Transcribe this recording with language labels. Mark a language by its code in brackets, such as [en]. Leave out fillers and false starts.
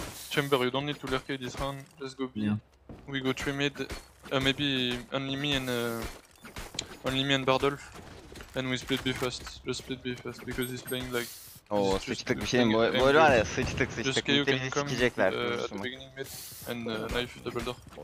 [en] Chamber, you don't need to lurk this round. Let's go B. Yeah. We go 3 mid. Maybe only me and only me and Bardolf. And we split B first. Just split B first because he's playing like. [tr] Oo, sıçtık bir şeyin boyu var ya, sıçtık. [en] Just KO can come at the beginning mid and knife double door.